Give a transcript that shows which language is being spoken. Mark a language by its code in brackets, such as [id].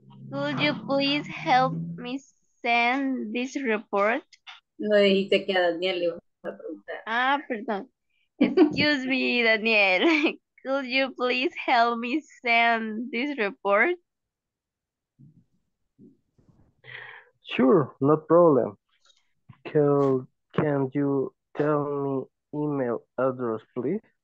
[en] Could you please help me send this report? [es] No dijiste que a Daniel le iba a preguntar. Ah, perdón. [en] Excuse me, [es] Daniel. [en] Could you please help me send this report? Sure, no problem. Can you tell me email address, please?